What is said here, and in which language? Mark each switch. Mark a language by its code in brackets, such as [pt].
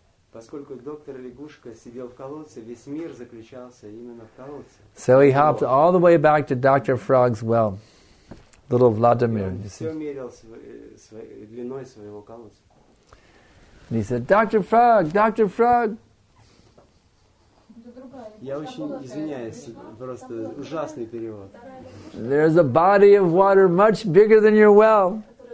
[ru] Поскольку доктор лягушка сидел в колодце, весь мир заключался именно в колодце. [en] So he hopped all the way back to Dr. Frog's well, little Vladimir. [ru] Он все мерил длиной своего колодца. [en] And he said, Dr. Frog, Dr. Frog. [ru] Я очень извиняюсь, просто ужасный перевод. [en] There's a body of water much bigger than your well.